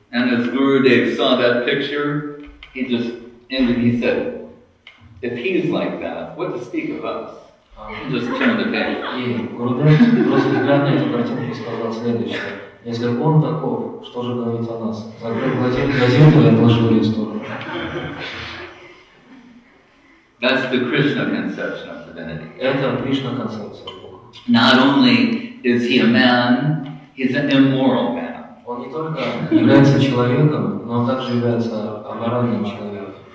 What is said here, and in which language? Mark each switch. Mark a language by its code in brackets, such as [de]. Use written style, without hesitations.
[en] And as Gurudev saw that picture, he just ended, he said, if he's like that, what to speak of us? Just turn the page. [ru] И Гурудев, просто взгляд на эту картинку, сказал следующее. Если он таков, что же говорить о нас? Закрыл газету и отложил ее в сторону. [en] That's the Krishna conception of divinity. [ru] Это Кришна концепция Бога. [en] Not only is he a man, he's an immoral man. [ru] Он не только является человеком, но он также является аморальным человеком.